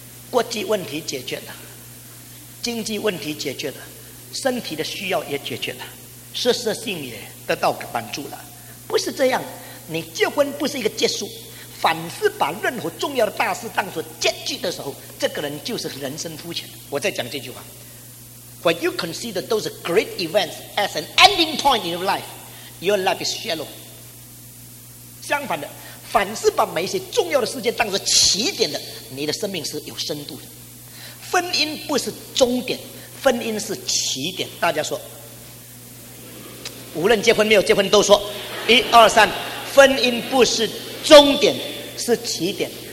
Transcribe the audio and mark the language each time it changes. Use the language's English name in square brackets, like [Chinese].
[Chinese] 国际问题解决了，经济问题解决了，身体的需要也解决了，事实性也得到满足了。不是这样，你结婚不是一个结束，反是把任何重要的大事当作结局的时候，这个人就是人生肤浅。我再讲这句话， [English] When you consider those great events as an ending point in your lifeYour life is shallow. [Chinese] 相反的，凡是把每一些重要的事件当作起点的，你的生命是有深度的。婚姻不是终点，婚姻是起点。大家说，无论结婚没有结婚都说，一二三，婚姻不是终点，是起点。